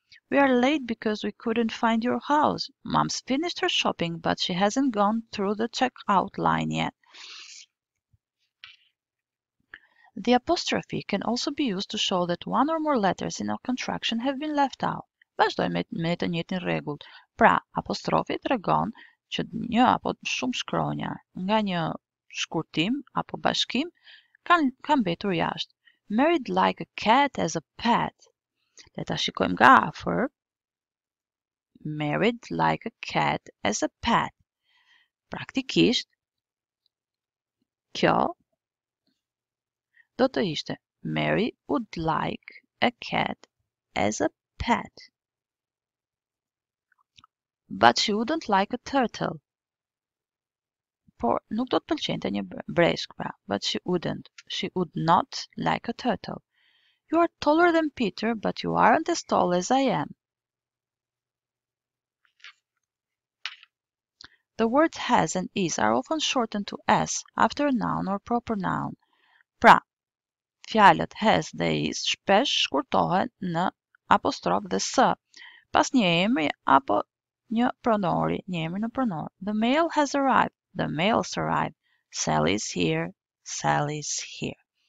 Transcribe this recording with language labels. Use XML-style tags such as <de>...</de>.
<en>We are late because we couldn't find your house. Mom's finished her shopping, but she hasn't gone through the checkout line yet. The apostrophe can also be used to show that one or more letters in a contraction have been left out.</en> <sq>Vazhdojmë me të njëjtin rregull. Pra, apostrofi tregon që një apo shumë shkronja nga një shkurtim apo bashkim kanë mbetur jashtë.</sq> <en>Married like a cat as a pet.</en> <sq>Le ta shikojmë nga afër.</sq> <en>Married like a cat as a pet.</en> <sq>Praktikisht, kjo do të ishte</sq> <en>Mary would like a cat as a pet. But she wouldn't like a turtle.</en> <sq>Por nuk do të pëlqente një breshk, pra.</sq> <en>But she wouldn't. She would not like a turtle. You are taller than Peter, but you aren't as tall as I am. The words has and is are often shortened to s after a noun or proper noun.</en> <sq>Pra, fjalët has dhe is shpesh shkurtohen në apostrof dhe s, pas një emri apo një pronori, një emri në pronor.</sq> <en>The mail has arrived. The mail's arrived. Sally's here. Sally's here.</en>